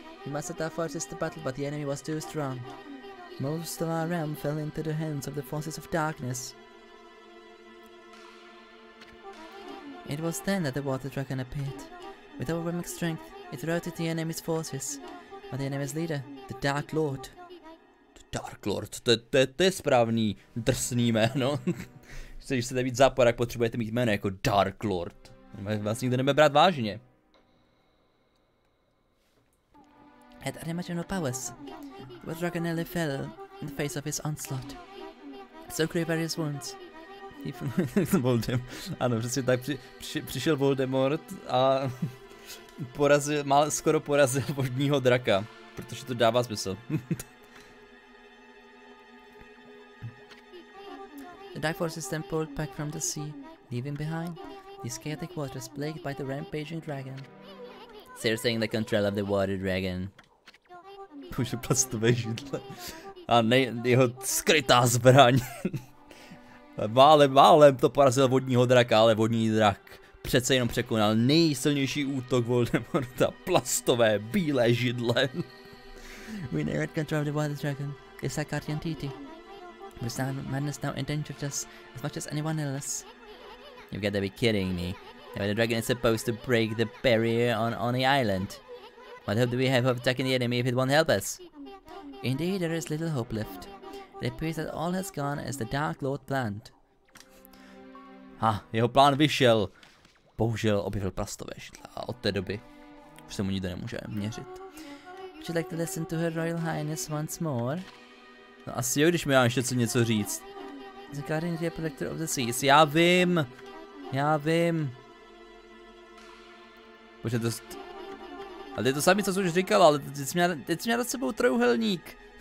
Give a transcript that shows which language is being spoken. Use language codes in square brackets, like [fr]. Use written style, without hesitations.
[en] We mustered our forces to battle, but the enemy was too strong. Most of our realm fell into the hands of the forces of darkness. It was then that the water dragon appeared. With overwhelming strength, it routed the enemy's forces. But the enemy's leader, the Dark Lord. [cs] The Dark Lord, to je správný, drsný jméno. Když chcete být zápor, jak potřebujete mít jméno jako Dark Lord. Vás nikdo nebude brát vážně. [en] Had unimaginable powers. The water dragon nearly fell in the face of his onslaught. So grievous his wounds. [cs] Ano, přesně tak, přišel Voldemort a porazil, mal, skoro porazil vodního draka, protože to dává smysl. [en] The dark forces then pulled back from the sea, leaving behind these chaotic waters plagued by the rampaging dragon. So you're saying the control of the water dragon. [cs] Už je plastové židle. A ne, jeho skrytá zbraň. Málem to porazil vodního draka, ale vodní drak přece jenom překonal nejsilnější útok Voldemorta. Plastové, bílé židle. [en] We never had control of the water dragon. It's like guardian deity. But now, madness now endangered us as much as anyone else. You've got to be kidding me. Now, the dragon is supposed to break the barrier on Oni Island. What hope do we have of attacking the enemy if it won't help us? Indeed, there is little hope left. It appears that all has gone as the Dark Lord planned. [cs] Ha, jeho plán vyšel. Bohužel objevil plastové židle a od té doby už se mu nikdo nemůže měřit. [en] Would you like to listen to Her Royal Highness once more? [cs] No asi jo, když mi ještě co něco říct. [en] The Guardian is the Protector of the Seas. [cs] Já vím. Bože, to... Ale to je to samé, co jsi už říkal, ale teď jsi měl nad sebou trojúhelník.